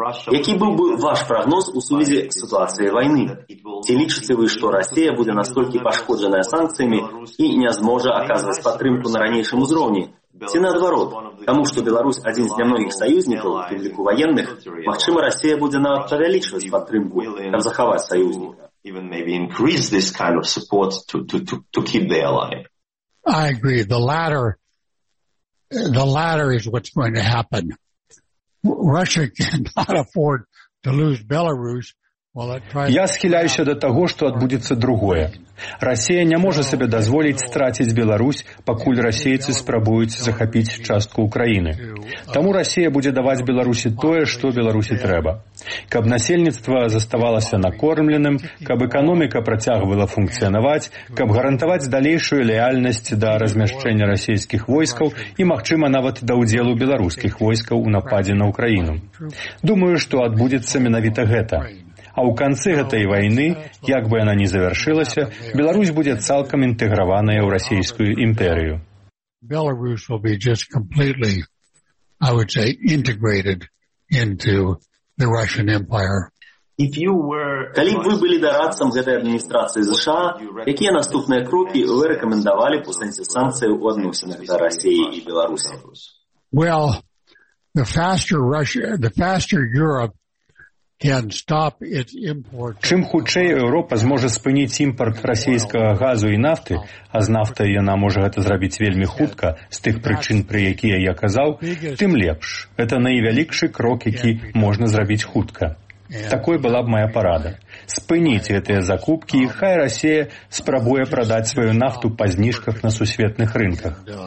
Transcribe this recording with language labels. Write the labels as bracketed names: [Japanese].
[Belarusian] Які быў бы ваш прагноз у сувязі з сітуацыяй вайны? Ці лічыце вы, што Расія будзе настолькі пашкоджаная санкцыямі і не зможа аказваць падтрымку на ранейшым узроўні? Ці наадварот, таму што Беларусь адзін з нямногіх саюзнікаў, у тым ліку ваенных, магчыма, Расія будзе нават павялічваць падтрымку, каб захаваць саюзніка? [English] Even maybe increase this kind of support to keep the ally. I agree. The latter is what's going to happen. Russia cannot afford to lose Belarus. [Belarusian] Я схіляюся до таго, што адбудзецца другое. Расія не можа сабе дазволіць страціць Беларусь, пакуль расейцы спрабуюць захапіць частку Украіны. Таму Расія будзе даваць Беларусі тое, што Беларусі трэба. Каб насельніцтва заставалася накормленым, каб эканоміка працягвала функцыянаваць, каб гарантаваць далейшую лаяльнасць да размяшчэння расійскіх войскаў і, магчыма, нават да ўдзелу беларускіх войскаў у нападзе на Украіну. Думаю, што адбудзецца менавіта гэта. А ў канцы гэтай вайны, як бы яна ні завершылася, Беларусь будзе цалкам інтэграваная ў расійскую імперыю. [English] Беларусь will be just completely, I would say, integrated into the Russian Empire. If you were... [Belarusian] Калі б вы былі дарадцам гэтай адміністрацыі США, якія наступныя крокі вы рэкамендавалі па сэнсе санкцый у адносінах да Расіі і Беларусі? [English] Well, the faster Europe can stop its import. [Belarusian] Чым хутчэй Еўропа зможа спыніць імпарт расійскага газу і нафты, а з нафтай яна можа гэта зрабіць вельмі хутка, з тых прычын, пры якія я казаў, тым лепш. Гэта найвялікшы крок, які можна зрабіць хутка. Такой была б мая парада. Спыніць гэтыя закупкі, і хай Расія спрабуе прадаць сваю нафту па зніжках на сусветных рынках.